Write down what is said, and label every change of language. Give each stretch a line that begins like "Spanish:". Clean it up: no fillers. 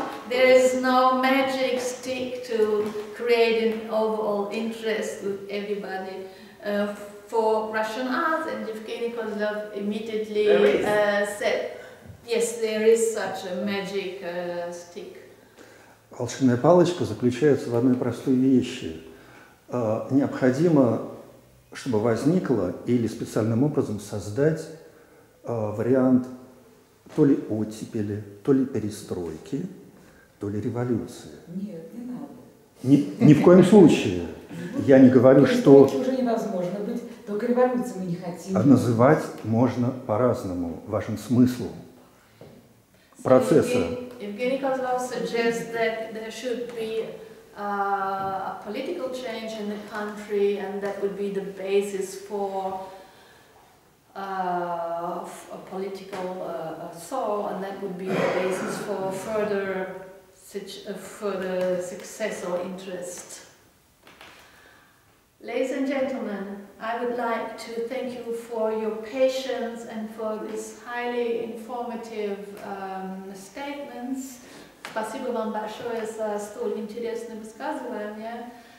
English: There is no magic stick to create an overall interest with everybody. For Russian art, and Yevgeny Kozlov immediately said, yes, there is such a magic stick.
Russian: Волшебная палочка заключается в одной простой вещи. Необходимо, чтобы возникло или специальным образом создать вариант то ли оттепели, то ли перестройки, то ли революции. Нет, не надо. Ни в коем случае. Я не говорю, что... Перестройки уже невозможно быть, только революции мы не хотим. А называть можно по-разному, важен смысл процесса.
English: Евгений Козлов suggests that there should be a political change in the country, and that would be the basis for a political soul, and that would be the basis for further success or interest. Ladies and gentlemen, I would like to thank you for your patience and for this highly informative statements.
Russian: Спасибо вам большое за столь интересное высказывание.